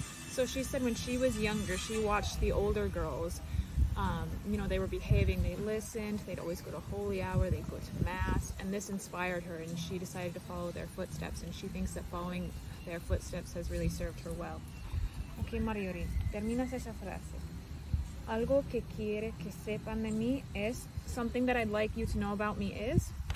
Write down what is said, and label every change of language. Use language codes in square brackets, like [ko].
[en] So she said when she was younger, she watched the older girls, you know, they were behaving, they listened, they'd always go to holy hour, they'd go to mass, and this inspired her and she decided to follow their footsteps, and she thinks that following their footsteps has really served her well. [es] Okay, Maryori, terminas esa frase. Algo que quiere que sepan de mí es... [en] Something that I'd like you to know about me is...